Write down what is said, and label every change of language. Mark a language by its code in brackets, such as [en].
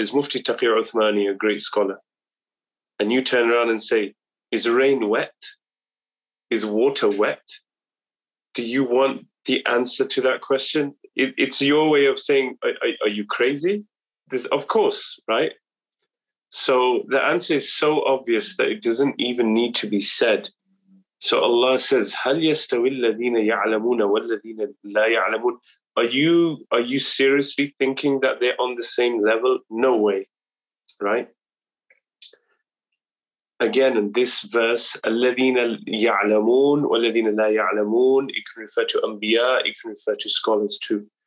[en] Is Mufti Taqi Uthmani a great scholar? And you turn around and say, is rain wet? Is water wet? Do you want the answer to that question? It's your way of saying, are you crazy? This, of course, right? So the answer is so obvious that it doesn't even need to be said. So Allah says, [ar] هَلْ يَسْتَوِي الَّذِينَ يَعْلَمُونَ وَالَّذِينَ لَا يَعْلَمُونَ. [en] Are you seriously thinking that they're on the same level? No way, right? Again, in this verse, [ar] الَّذِينَ يَعْلَمُونَ وَالَّذِينَ لَا يَعْلَمُونَ, [en] it can refer to Anbiya, it can refer to scholars too.